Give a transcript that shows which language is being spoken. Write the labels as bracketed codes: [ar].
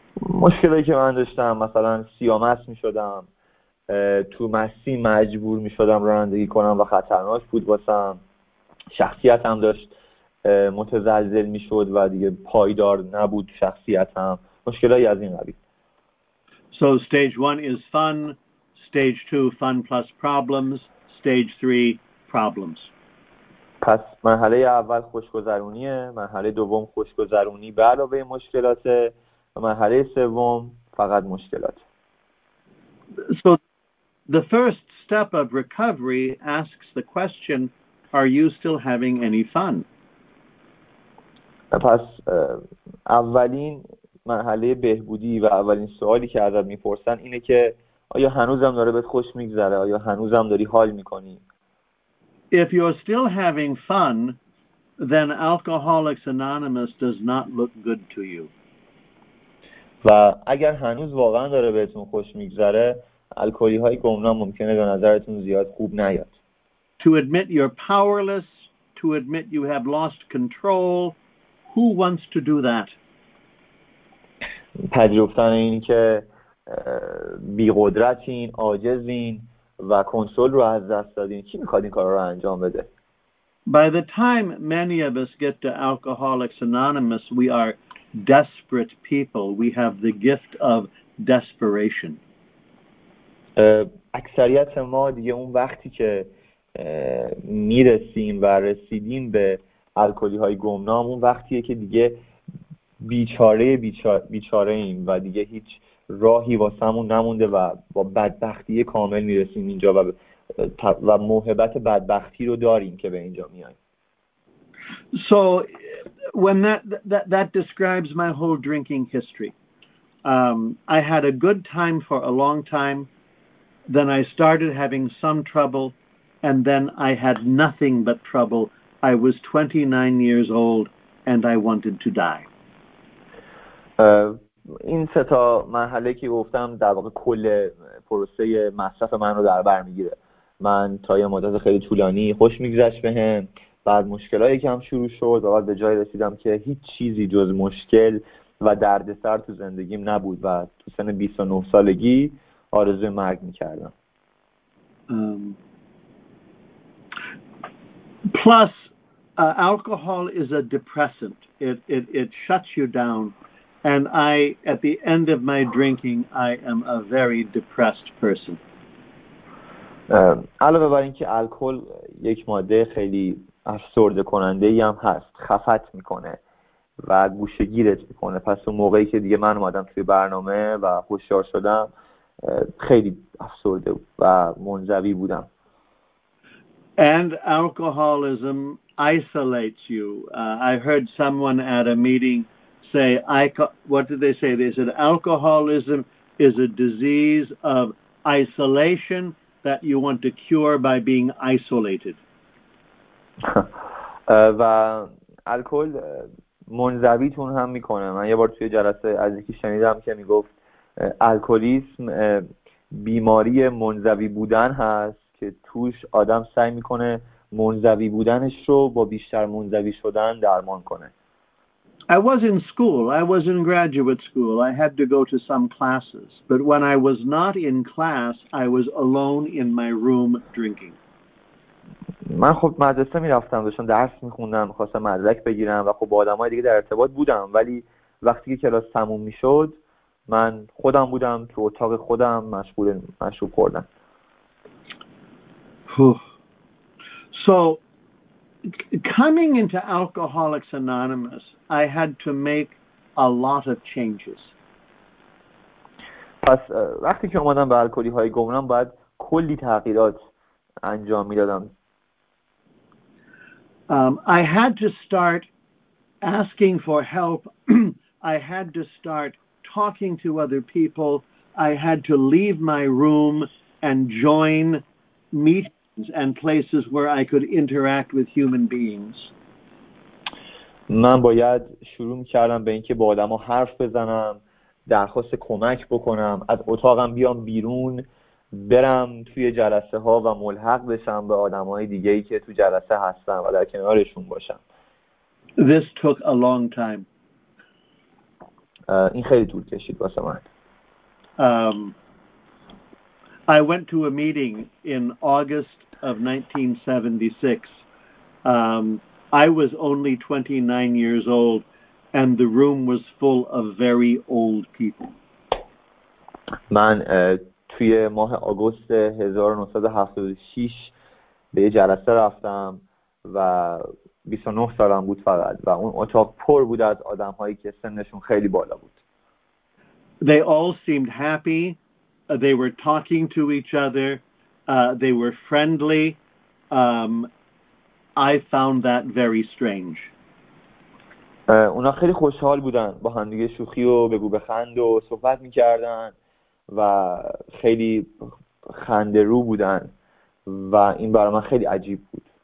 [fa] مشکلی که من داشتم مثلا سیامست میشدم، تو مسیر مجبور میشدم رانندگی کنم و خطرناک بود واسم، شخصیتم داشت متزلزل میشد و دیگه پایدار نبود شخصیتم، مشکلی از این قبیل. [en] So stage one is fun, stage two fun plus problems, stage three problems. [fa] پس مرحله اول خوشگذرونیه، مرحله دوم خوشگذرونی به علاوه مشکلات و مرحله سوم فقط مشکلات. [en] So the first step of recovery asks the question, are you still having any fun? [fa] پس اولین مرحله بهبودی و اولین سوالی که ازت میپرسن اینه که آیا هنوزم داره بهت خوش میگذره، آیا هنوزم داری حال میکنی؟ [en] If you're still having fun, then Alcoholics Anonymous does not look good to you. [fa] و اگر هنوز واقعا داره بهتون خوش میگذره، الکلی های گمنام ممکنه به نظرتون زیاد خوب نیاد. [en] To admit you're powerless, to admit you have lost control, who wants to do that? [fa] پذیرفتن این که بیقدرتین، عاجزین و کنترل رو از دست دادین، کی میخواد این کار رو انجام بده؟ [en] By the time many of us get to Alcoholics Anonymous, we are desperate people. We have the gift of desperation. [fa] اکثریت ما دیگه اون وقتی که میرسیم و رسیدیم به الکلی های گمنام، اون وقتیه که دیگه بیچاره ایم و دیگه هیچ راهی واسه همون نمونده و با بدبختی کامل میرسیم اینجا و موهبت بدبختی رو داریم که به اینجا میاییم. [en] So when that describes my whole drinking history. I had a good time for a long time, then I started having some trouble, and then I had nothing but trouble. I was 29 years old and I wanted to die. [fa] این سه تا مرحله که گفتم در واقع کل پروسه مصرف من رو در بر میگیره. من تا یه مدت خیلی طولانی خوش میگذشت بهم، بعد مشکلایی که هم شروع شد و بعد به جای رسیدم که هیچ چیزی جز مشکل و دردسر تو زندگیم نبود و تو سن 29 سالگی آرزوی مرگ میکردم. [en] Plus alcohol is a depressant. It shuts you down. And I, at the end of my drinking, I am a very depressed person. [fa] علاوه بر اینکه الکل یک ماده خیلی افسرده کننده ای هم هست، خفت میکنه و گوشه گیرت میکنه. پس اون موقعی که دیگه من اومدم توی برنامه و هوشیار شدم، خیلی افسرده و منزوی بودم. [en] And alcoholism isolates you. I heard someone at a meeting say, what did they say? They said, alcoholism is a disease of isolation that you want to cure by being isolated. [fa] و الکل منزویتون هم میکنه. من یه بار توی جلسه از یکی شنیدم که میگفت الکلیسم بیماری منزوی بودن هست که توش آدم سعی میکنه منزوی بودنش رو با بیشتر منزوی شدن درمان کنه. [en] I was in school. I was in graduate school. I had to go to some classes. But when I was not in class, I was alone in my room drinking. [fa] من خب مدرسه می‌رفتم، داشتم درس می‌خوندم، می‌خواستم مدرک بگیرم و خب با آدم‌های دیگه در ارتباط بودم، ولی وقتی که کلاس تموم می‌شد، من خودم بودم تو اتاق خودم مشغول مشروب خوردن. [en] So coming into Alcoholics Anonymous I had to make a lot of changes. [fa] پس وقتی که اومدم به الکلی های گمنام باید کلی تغییرات انجام میدادم. [en] I had to start asking for help. I had to start talking to other people. I had to leave my room and join meetings and places where I could interact with human beings. [fa] من باید شروع کردم به اینکه با آدم‌ها حرف بزنم، درخواست کمک بکنم، از اتاقم بیام بیرون، برم توی جلسه ها و ملحق بشم به آدم های دیگه ای که تو جلسه هستن و در کنارشون باشم. [en] This took a long time. [fa] این خیلی طول کشید واسه من. [en] I went to a meeting in August of 1976. I was only 29 years old and the room was full of very old people. [fa] من توی ماه آگوست 1976 به یه جلسه رفتم و 29 سالم بود فقط و اون اتاق پر بود از آدم هایی که سنشون خیلی بالا بود. [en] They all seemed happy. They were talking to each other. They were friendly. I found that very strange. [fa] اونا خیلی خوشحال بودن با هم دیگه شوخی و بگو بخند و صحبت میکردن و خیلی خنده رو بودن و این برای من خیلی عجیب بود.